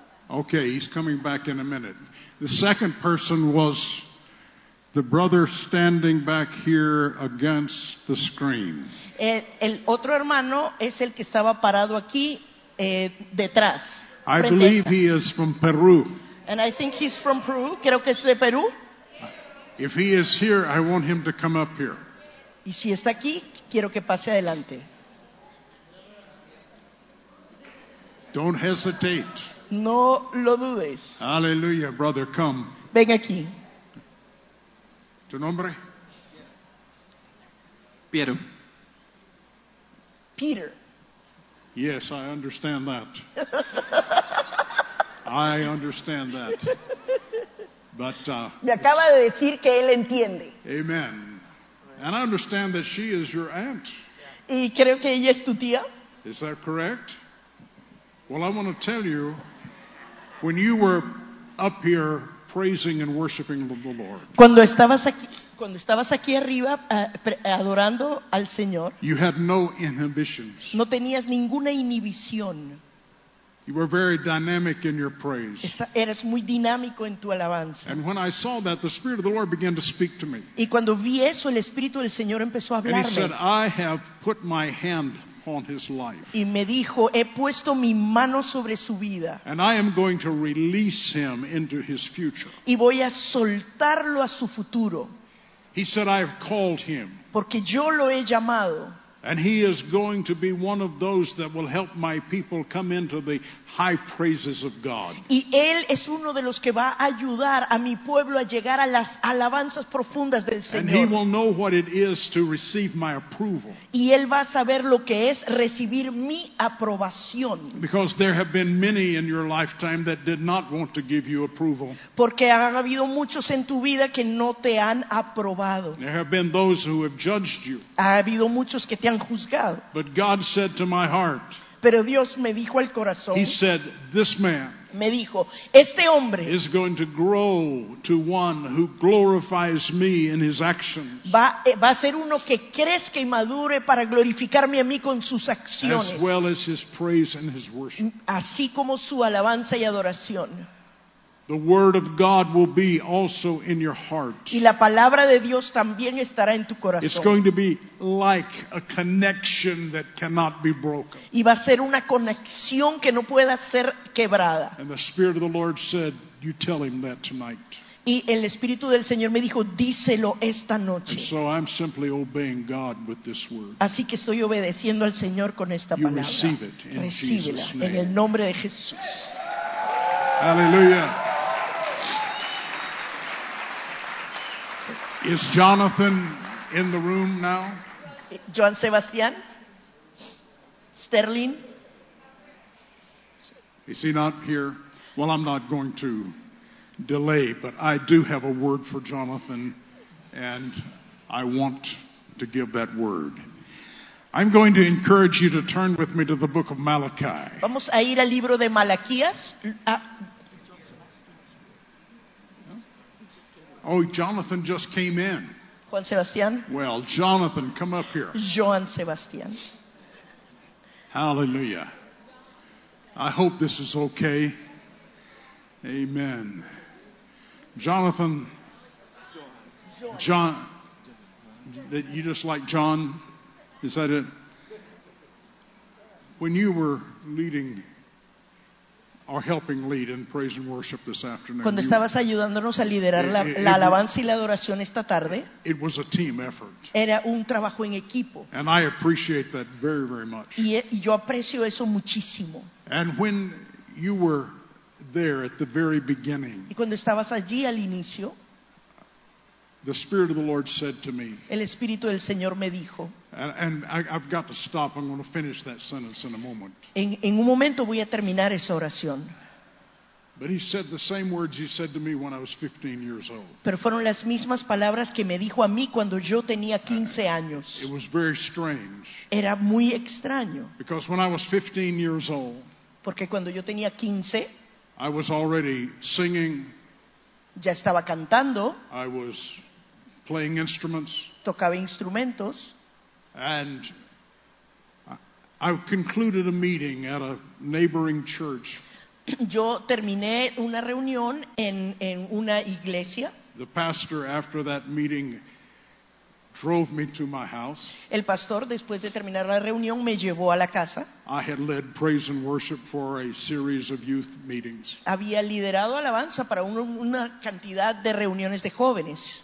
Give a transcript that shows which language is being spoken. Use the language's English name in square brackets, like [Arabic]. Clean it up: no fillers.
[English] Okay, he's coming back in a minute. The second person was the brother standing back here against the screen. [Spanish] El otro hermano es el que estaba parado aquí detrás. [English] I believe he is from Peru. And I think he's from Peru. [Spanish] Creo que es de Perú. [English] If he is here, I want him to come up here. [Spanish] Y si está aquí, quiero que pase adelante. [English] Don't hesitate. [Spanish] No lo dudes. [English] Hallelujah, brother, come. [Spanish] Ven aquí. ¿Tu nombre? Piero. [English] Peter. Yes, I understand that. I understand that. But [Spanish] me acaba de decir que él entiende. [English] Amen. And I understand that she is your aunt. [Spanish] Y creo que ella es tu tía. [English] Is that correct? Well, I want to tell you, when you were up here praising and worshiping the Lord, [Spanish] cuando estabas aquí arriba adorando al Señor, [English] you had no inhibitions. [Spanish] No tenías ninguna inhibición. [English] You were very dynamic in your praise. [Spanish] Eres muy dinámico en tu alabanza. [English] And when I saw that, the Spirit of the Lord began to speak to me. [Spanish] Y cuando vi eso, el Espíritu del Señor empezó a hablarme. [English] And he said, "I have put my hand on his life." [Spanish] Y me dijo, he puesto mi mano sobre su vida. [English] And I am going to release him into his future. [Spanish] Y voy a soltarlo a su futuro. [English] He said, "I have called him." [Spanish] Porque yo lo he llamado. [English] And he is going to be one of those that will help my people come into the high praises of God. [Spanish] Y él es uno de los que va a ayudar a mi pueblo a llegar a las alabanzas profundas del Señor. [English] And he will know what it is to receive my approval. [Spanish] Y él va a saber lo que es recibir mi aprobación. [English] Because there have been many in your lifetime that did not want to give you approval. [Spanish] Porque ha habido muchos en tu vida que no te han aprobado. [English] There have been those who have judged you. [Spanish] Ha habido muchos que te han juzgado. [English] But God said to my heart, [Spanish] pero Dios me dijo al corazón, [English] he said, this man, [Spanish] me dijo, este hombre [English] is going to grow to one who glorifies me in his actions. [Spanish] Va a ser uno que crezca y madure para glorificarme a mí con sus acciones. [English] As well as his praise and his worship. [Spanish] Así como su alabanza y adoración. [English] The word of God will be also in your heart. [Spanish] Y la palabra de Dios también estará en tu corazón. [English] It's going to be like a connection that cannot be broken. [Spanish] Y va a ser una conexión que no pueda ser quebrada. [English] And the Spirit of the Lord said, "You tell him that tonight." [Spanish] Y el Espíritu del Señor me dijo, díselo esta noche. [English] And so I'm simply obeying God with this word. [Spanish] Así que estoy obedeciendo al Señor con esta [English] you [Spanish] palabra. [English] You receive it in [Spanish] Recíbela [English] Jesus' name. [Spanish] En el nombre de Jesús. [English] Hallelujah. Is Jonathan in the room now? John Sebastian? Sterling? Is he not here? Well, I'm not going to delay, but I do have a word for Jonathan, and I want to give that word. I'm going to encourage you to turn with me to the book of Malachi. [Spanish] Vamos a ir al libro de Malaquías. [English] Oh, Jonathan just came in. [Spanish] Juan Sebastián. [English] Well, Jonathan, come up here. [Spanish] Joan Sebastián. [English] Hallelujah. I hope this is okay. Amen. Jonathan. John. That you just like John? Is that it? When you were leading are helping lead in praise and worship this afternoon. [Spanish] Cuando estabas ayudándonos a liderar la alabanza y la adoración esta tarde. [English] It was a team effort. [Spanish] Era un trabajo en equipo. [English] And I appreciate that very, very much. [Spanish] Y yo aprecio eso muchísimo. [English] And when you were there at the very beginning. [Spanish] Y cuando estabas allí al inicio. [English] The Spirit of the Lord said to me. [Spanish] El Espíritu del Señor me dijo. [English] And I've got to stop. I'm going to finish that sentence in a moment. [Spanish] En un momento voy a terminar esa oración. [English] But he said the same words he said to me when I was 15 years old. [Spanish] Pero fueron las mismas palabras que me dijo a mí cuando yo tenía 15 años. [English] It was very strange. [Spanish] Era muy extraño. [English] Because when I was 15 years old. [Spanish] Porque cuando yo tenía 15. [English] I was already singing. [Spanish] Ya estaba cantando. [English] I was playing instruments. [Spanish] Tocaba instrumentos. [English] And I concluded a meeting at a neighboring church. [Spanish] Yo terminé una reunión en una iglesia. [English] The pastor, after that meeting, drove me to my house. [Spanish] El pastor, después de terminar la reunión, me llevó a la casa. [English] I had led praise and worship for a series of youth meetings. [Spanish] Había liderado alabanza para una cantidad de reuniones de jóvenes.